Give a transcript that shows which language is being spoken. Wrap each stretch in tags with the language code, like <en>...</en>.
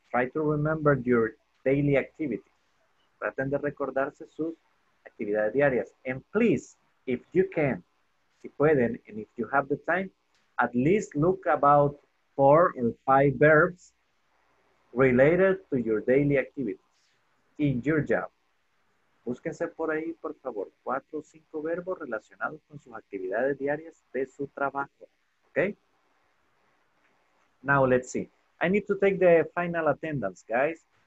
<en>Try to remember your daily activities.</en> <es>Traten de recordarse sus actividades diarias.</es> <en>And please, if you can,</en> <es>si pueden,</es> <en>and if you have the time, at least look about 4 or 5 verbs related to your daily activities in your job.</en> <es>Búsquense por ahí, por favor, 4 o 5 verbos relacionados con sus actividades diarias de su trabajo.</es> <en>Okay? Now let's see. I need to take the final attendance, guys.</en>